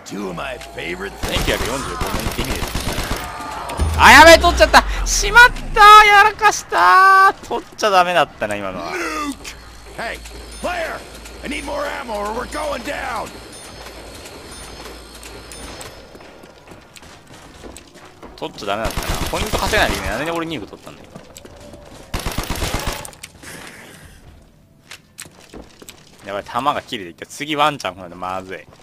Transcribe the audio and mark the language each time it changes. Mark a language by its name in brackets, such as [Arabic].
[Japanese] 1945年ティミです。あ、やべ、取っちゃった。しまった、やらかした。取っちゃダメだったな、今のは。 [English] I need more ammo or we're going down. [Japanese] とっちゃダメだったな。ポイント稼げないといけない。なんで俺2個取ったんだ今。やばい、弾が切れてきた。次ワンちゃん来ないとまずい。